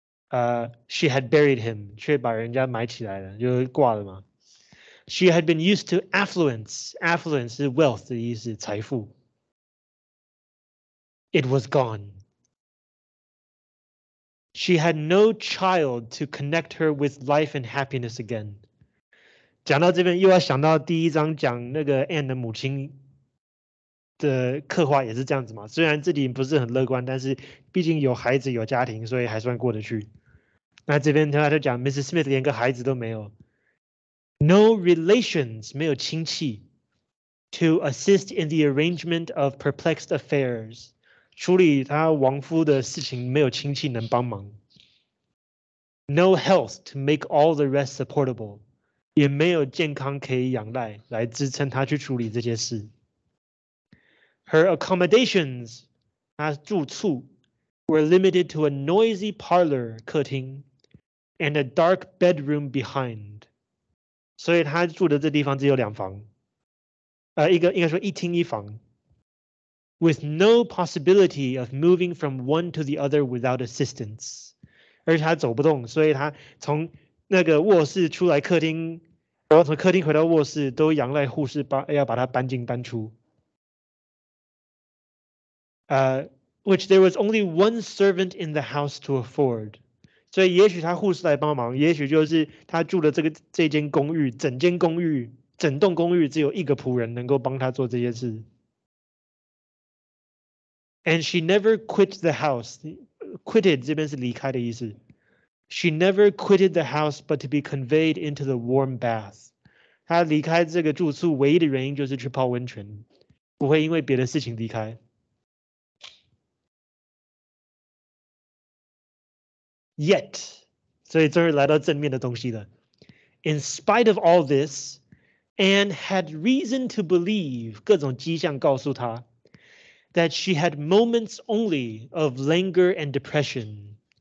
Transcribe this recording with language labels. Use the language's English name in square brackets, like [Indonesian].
[English] She had buried him, [Chinese] 却把人家埋起来了，就挂了嘛。 [English] She had been used to affluence, affluence [Chinese] 是 wealth 的意思，财富。 [English] It was gone. She had no child to connect her with life and happiness again. [Chinese] 讲到这边，又要想到第一章讲那个 Anne 的母亲的刻画也是这样子嘛。虽然自己不是很乐观，但是毕竟有孩子有家庭，所以还算过得去。那这边他就讲 [English] Mrs. Smith [Chinese] 连个孩子都没有 [English] ，No relations [Chinese] 没有亲戚 [English] ，to assist in the arrangement of perplexed affairs。 [Chinese] 处理他亡夫的事情没有亲戚能帮忙 ， [English] no health to make all the rest supportable， [Chinese] 也没有健康可以仰赖来支撑他去处理这些事。 [English] Her accommodations， [Chinese] 他住处 ， [English] were limited to a noisy parlor [Chinese] 客厅 ， [English] and a dark bedroom behind， [Chinese] 所以他住的这地方只有两房，一个应该说一厅一房。 [English] With no possibility of moving from one to the other without assistance. [Chinese] 而且他走不动，所以他从那个卧室出来客厅，然后从客厅回到卧室，都仰赖护士要把他搬进搬出。 [English] Which there was only one servant in the house to afford. [Chinese] 所以也许他护士来帮忙，也许就是他住的这间公寓，整间公寓，整栋公寓只有一个仆人能够帮他做这些事。 [English] And she never quit the house. Quitted [Chinese] 这边是离开的意思。 [English] She never quitted the house, but to be conveyed into the warm bath. [Chinese] 她离开这个住宿唯一的原因就是去泡温泉，不会因为别的事情离开。 Yet, 所以终于来到正面的东西了。 [English] In spite of all this, Anne had reason to believe. [Chinese] 各种迹象告诉她。 [English] That she had moments only of languor and depression.